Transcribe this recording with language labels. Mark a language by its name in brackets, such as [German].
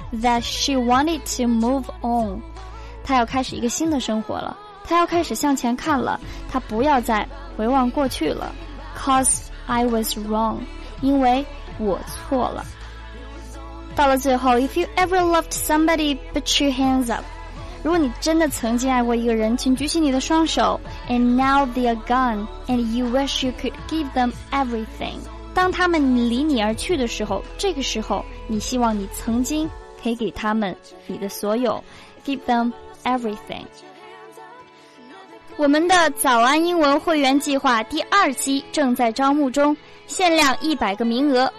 [English] That she wanted to move on, [Chinese] 她要开始一个新的生活了。他要开始向前看了，他不要再回望过去了。 [English] Cause I was wrong, [Chinese] 因为我错了。到了最后， [English] If you ever loved somebody, put your hands up. [Chinese] 如果你真的曾经爱过一个人，请举起你的双手。 [English] And now they are gone, and you wish you could give them everything. [Chinese] 当他们离你而去的时候，这个时候你希望你曾经可以给他们你的所有。 [English] Give them everything. [Chinese] 我们的早安英文会员计划第二期正在招募中，限量100个名额。